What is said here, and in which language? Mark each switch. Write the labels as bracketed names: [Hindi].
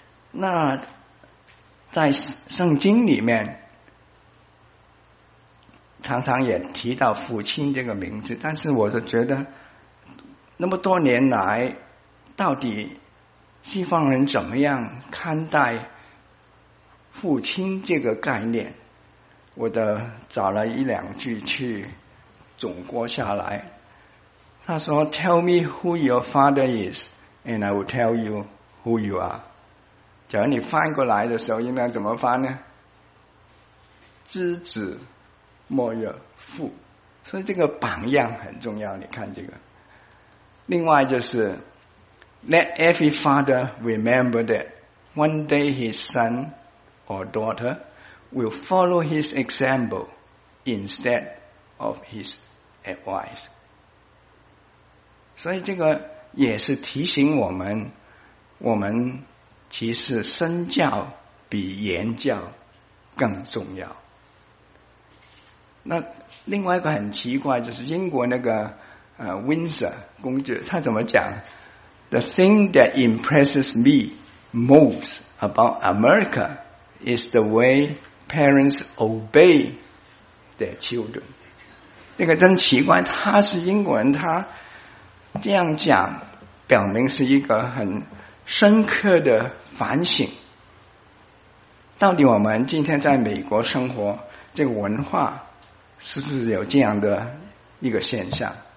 [Chinese] 那在圣经里面常常也提到父亲这个名字，但是我就觉得那么多年来到底西方人怎么样看待父亲这个概念，我的找了一两句去总括下来。他说 [English] Tell me who your father is and I will tell you who you are。 [Chinese] 假如你翻过来的时候应该怎么翻呢？知子莫若父，所以这个榜样很重要。你看这个，另外就是 [English] Let every father remember that one day his son or daughter will follow his example instead of his advice。 [Chinese] 所以这个也是提醒我们，我们其实身教比言教更重要。那另外一个很奇怪，就是英国那个Windsor 公爵，他怎么讲 ？ [English] The thing that impresses me most about America is the way parents obey their children。 [Chinese] 这个真奇怪，他是英国人，他这样讲，表明是一个很深刻的反省。到底我们今天在美国生活，这个文化是不是有这样的一个现象？